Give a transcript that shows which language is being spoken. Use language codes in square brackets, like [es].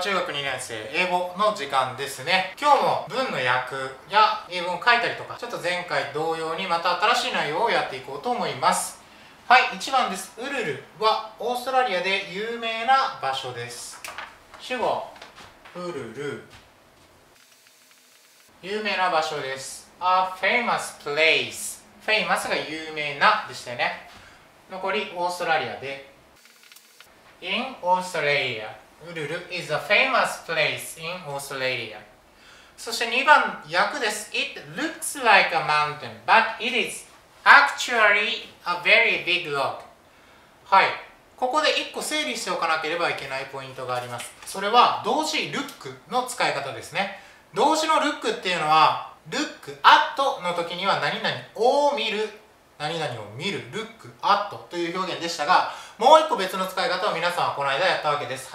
[ja] 中学2年生英語の時間ですね。今日も文の訳や英文を書いたりとか、ちょっと前回同様にまた新しい内容をやっていこうと思います。はい、1番です。ウルルはオーストラリアで有名な場所です。主語ウルル、有名な場所です。 [en] A famous place。 [ja] famous が有名なでしたよね。残りオーストラリアで、 [en] In Australia ウルル is a famous place in Australia。 [ja] そして2番訳です。 [en] It looks like a mountain but it isActually, a very big log. [ja] はい、ここで1個整理しておかなければいけないポイントがあります。それは動詞 look の使い方ですね。動詞の look っていうのは look at の時には何々を見る、何々を見る、 look at という表現でしたが、もう1個別の使い方を皆さんはこの間やったわけです。